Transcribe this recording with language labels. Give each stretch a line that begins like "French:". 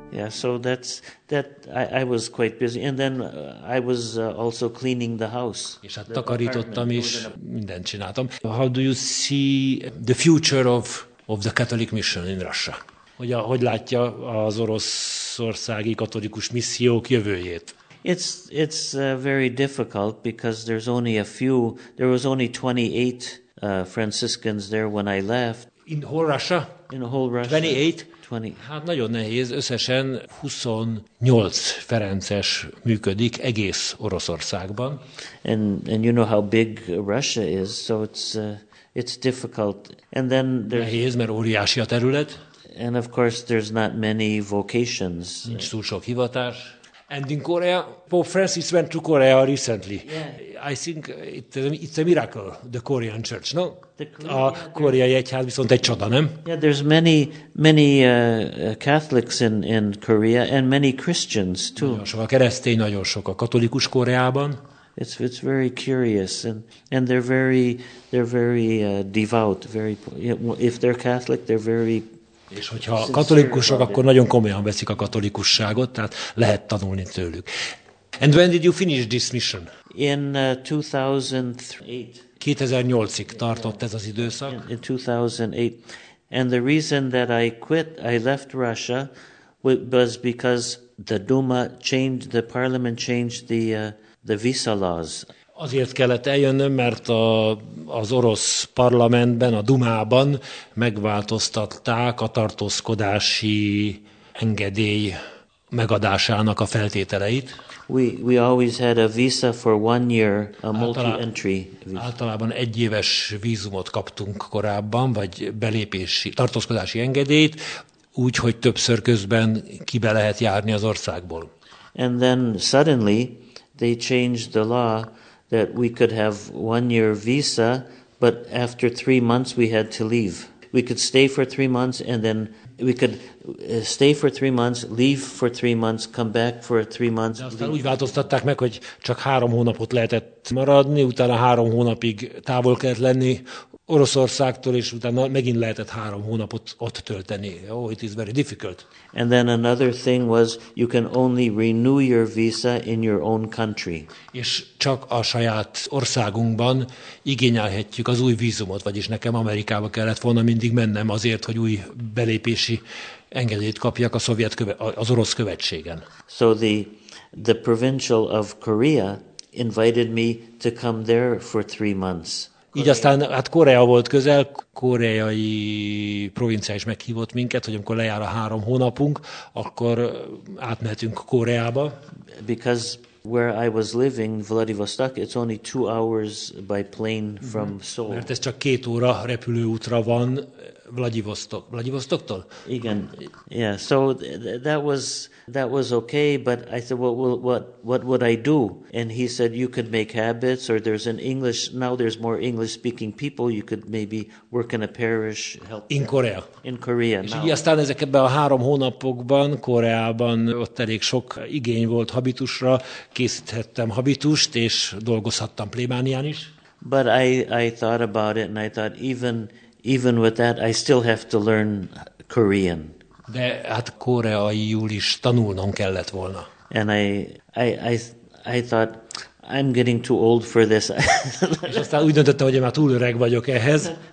English: So I was quite busy, and then I was also cleaning the house.
Hungarian: És hát takarítottam is, mindent csináltam.
English: How do you see the future of the Catholic mission in Russia?
Hungarian: Hogy látja az oroszországi katolikus missziók jövőjét?
English: It's very difficult because there's only a few. There was only 28 Franciscans there when I left. In whole Russia? In whole Russia. 28?
Hungarian: Hát nagyon nehéz, összesen 28 ferences működik egész Oroszországban.
English: And you know how big Russia is, so it's difficult. And then
Hungarian: nehéz, mert óriási a terület.
English: And of course there's not many vocations.
Hungarian: Nincs túl sok hivatás.
English: And in Korea, Pope Francis went to Korea recently. Yeah. I think it's a miracle, the Korean church, no? Korea,
Hungarian: a koreai egyház viszont egy csoda, nem?
English: Yeah, there's many Catholics in Korea and many Christians too.
Hungarian: Nagyon sok a keresztény, nagyon sok a katolikus Koreában.
English: It's very curious and they're very devout, very, if they're Catholic, they're very.
Hungarian: És hogyha katolikusok, akkor nagyon komolyan veszik a katolikusságot, tehát lehet tanulni tőlük.
English: And when did you finish this mission? In 2008.
Hungarian: 2008-ig tartott ez az időszak.
English: In 2008. And the reason that I quit, I left Russia, was because the Duma changed, the parliament changed the visa laws.
Hungarian: Azért kellett eljönnöm, mert az orosz parlamentben, a Dumában megváltoztatták a tartózkodási engedély megadásának a feltételeit.
English: We always had a visa for 1 year, a multi-entry visa.
Hungarian: Általában egy éves vízumot kaptunk korábban, vagy belépési, tartózkodási engedélyt, úgyhogy többször közben kibe lehet járni az országból.
English: And then suddenly they changed the law that we could have 1 year visa, but after 3 months we had to leave. We could stay for 3 months and then we could stay for 3 months, leave for 3 months, come back for 3 months.
Hungarian: De aztán úgy változtatták meg, hogy csak 3 hónapot lehetett maradni, utána 3 hónapig távol kellett lenni Oroszországtól, és utána megint lehetett 3 hónapot ott tölteni.
English: Oh, it is very difficult. And then another thing was, you can only renew your visa in your own country.
Hungarian: És csak a saját országunkban igényelhetjük az új vízumot, vagyis nekem Amerikába kellett volna mindig mennem azért, hogy új belépési engedélyt kapjak a szovjet az orosz követségen.
English: So the provincial of Korea invited me to come there for 3 months.
Hungarian: Így aztán, hát Korea volt közel, koreai provincia is meghívott minket, hogy amikor lejár a 3 hónapunk, akkor átmehetünk Koreába.
English: Because where I was living, Vladivostok, it's only 2 hours by plane from Seoul.
Hungarian: Mert ez csak 2 óra repülőútra van Vladivostoktól? Igen.
English: Yeah, so that was okay, but I said, what would I do? And he said, you could make habits, or there's an English, now there's more English-speaking people, you could maybe work in a parish, help. In Korea. In Korea.
Hungarian: És így aztán ezekben a 3 hónapokban, Koreában ott elég sok igény volt habitusra, készíthettem habitust, és dolgozhattam plébánián is.
English: But I thought about it, and I thought, even with that, I still have to learn Korean.
Hungarian: De hát koreaiul is tanulnom kellett volna.
English: And I thought, I'm getting too old for this.
Hungarian: És aztán úgy döntöttem, hogy én már túl öreg vagyok ehhez.